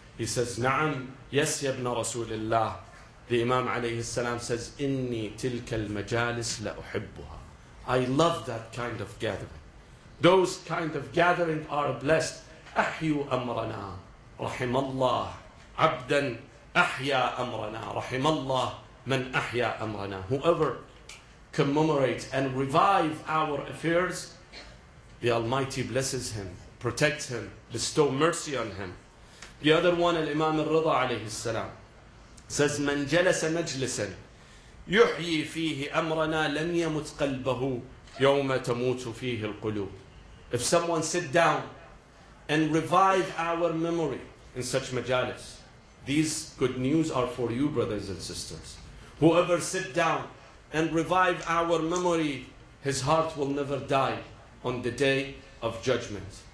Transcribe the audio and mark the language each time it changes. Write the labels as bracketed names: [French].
[English] He says, [Arabic] Na'am, [English] yes, [Arabic] ya ibn Rasulillah. [English] The Imam [Arabic] alayhi salam [English] says, [Arabic] Inni tilka al-majalis la uhibbuha. [English] I love that kind of gathering. Those kind of gatherings are blessed. [Arabic] Ahyu amrana, rahimallah, عبدا أحيا أمرنا رحم الله من أحيا أمرنا. [English] Whoever commemorates and revive our affairs, the Almighty blesses him, protects him, bestow mercy on him. The other one, [Arabic] Imam الرضا عليه السلام, [English] says [Arabic] من جلس مجلسا يحيي فيه أمرنا لم يمت قلبه يوم تموت فيه القلوب. [English] If someone sit down and revive our memory in such majalis, these good news are for you, brothers and sisters. Whoever sit down and revive our memory, his heart will never die on the day of judgment.